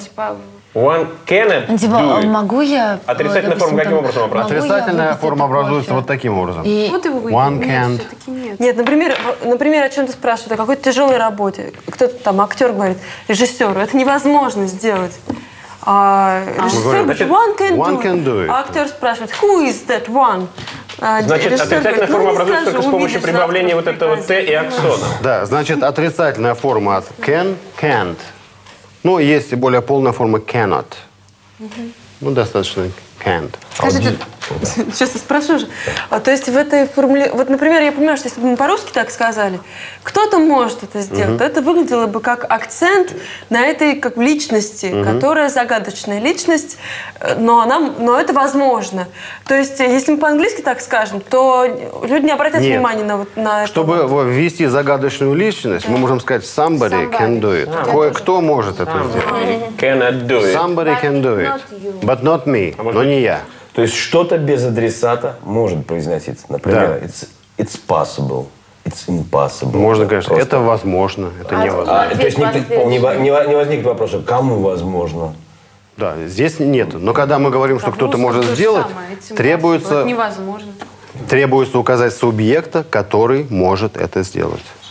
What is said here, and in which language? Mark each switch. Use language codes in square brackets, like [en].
[ru] Типа... [en] One cannot do [ru] типа, [en] it. [ru] Могу я... Отрицательная форма каким образом образуется? Отрицательная форма образуется вот таким образом. И... Вот его выйдет. [en] One can't. [ru] Нет, например, о чем-то спрашивают, о какой-то тяжелой работе. Кто-то там, актер говорит, режиссеру, это невозможно сделать. А режиссер говорит, [en] one can do it. [ru] А актер спрашивает, [en] who is that one? [ru] Значит, отрицательная форма образуется только с помощью прибавления вот этого T и аксона. Да, значит, отрицательная форма от [en] can, can't. [ru] Ну, есть и более полная форма [en] cannot. [ru] Ну, достаточно can't. Скажите, сейчас я спрошу же. То есть в этой формуле... Вот, например, я понимаю, что если бы мы по-русски так сказали, кто-то может это сделать, то это выглядело бы как акцент на этой как личности, которая загадочная личность, но это возможно. То есть если мы по-английски так скажем, то люди не обратят внимания на это. Чтобы ввести загадочную личность, мы можем сказать [en] somebody can do it. [ru] Кое-кто может это сделать. [en] Cannot do it. Somebody can do it. But not me. [ru] Но не я. То есть что-то без адресата может произноситься. Например, да. [en] it's possible, it's impossible. [ru] Можно, конечно, просто. Это возможно, это невозможно. То есть не возникнет вопроса, кому возможно? Да, здесь нет. Но когда мы говорим, что кто-то может сделать, самое, требуется... Это невозможно. Требуется указать субъекта, который может это сделать.